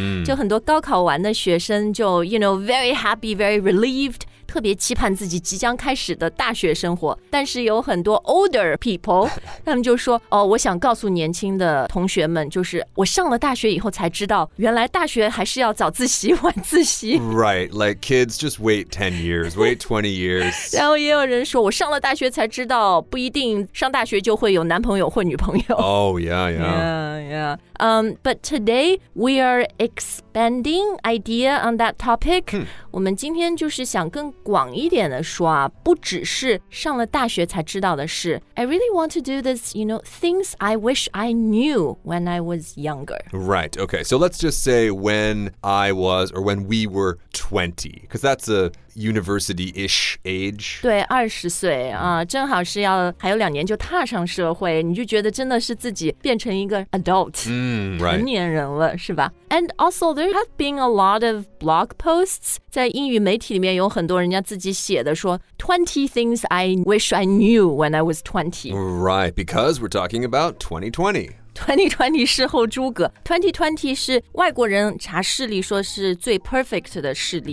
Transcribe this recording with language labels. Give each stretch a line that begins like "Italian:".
Chinese: 就很多高考完的学生就
English: you know, very happy, very relieved,
Chinese: 特别期盼自己即将开始的大学生活，但是有很多
English: older people
Chinese: 他们就说，哦，我想告诉年轻的同学们，就是我上了大学以后才知道，原来大学还是要早自习晚自习。
English: Right, like kids, just wait 10 years, wait 20 years.
Chinese: 然后也有人说，我上了大学才知道，不一定上大学就会有男朋友或女朋友。
English: Oh, yeah, yeah. Yeah, yeah. But today, we are expanding idea on that topic.
Chinese: 我们今天就是想更广一点的说啊，不只是上了大学才知道的事。
English: I really want to do this, you know, things I wish I knew when I was younger. Right, okay, so let's just say when I was, or when we were 20, because that's a university-ish age.
Chinese: 对，20岁啊，正好是要还有两年就踏上社会，你就觉得真的是自己变成一个 adult, 成年人了，是吧？
English: And also, there have been a lot of blog posts.
Chinese: 在英语媒体里面有很多人家自己写的说
English: 20 things I wish I knew when I was 20. Right, because we're talking about 2020.
Chinese: 2020事后诸葛。2020是外国人查视力说是最 perfect 的视力，